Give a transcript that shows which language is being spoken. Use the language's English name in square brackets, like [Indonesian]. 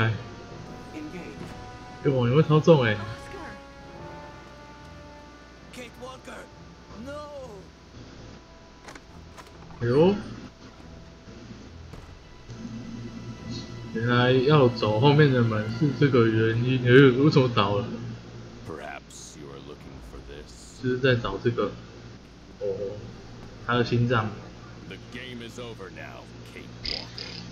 [Chinese] 哎、欸，你会操纵哎、欸！哎呦，原来要走后面的门是这个原因，哎、为什么倒了？ [English] Perhaps you are looking for this. [Chinese] 就是在找这个，哦，他的心脏。 [English] The game is over now, Kate Walker.